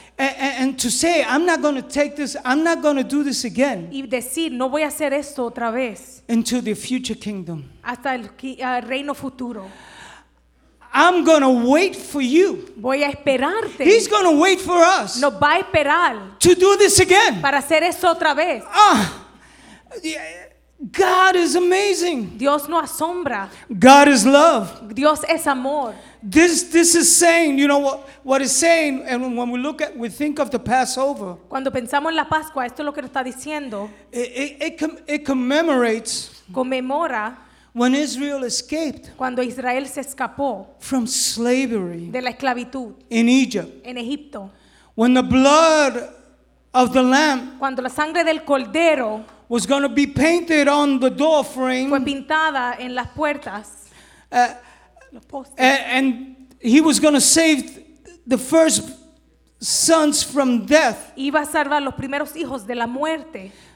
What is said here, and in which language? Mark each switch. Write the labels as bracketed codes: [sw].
[en] And to say, I'm not going to take this, I'm not going to do this again. [es] Y decir, no voy a hacer esto otra vez. [en] Into the future kingdom. [es] Hasta el reino futuro. [en] I'm going to wait for you. [es] Voy a esperarte. [en] He's going to wait for us. [es] Nos va a esperar. [en] To do this again. [es] Para hacer esto otra vez. [en] God is amazing. [es] Dios no asombra. [en] God is love. [es] Dios es amor. [en] This is saying, you know what it's saying, and when we look at, we think of the Passover. [es] Cuando pensamos en la Pascua, esto es lo que nos está diciendo. [en] It commemorates. [es] Conmemora. [en] When Israel escaped, [es] cuando Israel se escapó, [en] from slavery, [es] de la esclavitud, [en] in Egypt, [es] en Egipto, [en] when the blood of the lamb, [es] cuando la sangre del cordero, [en] was going to be painted on the door frame, [es] fue pintada en las puertas, [en] and he was going to save the first sons from death, [es] iba a salvar los primeros hijos de la muerte,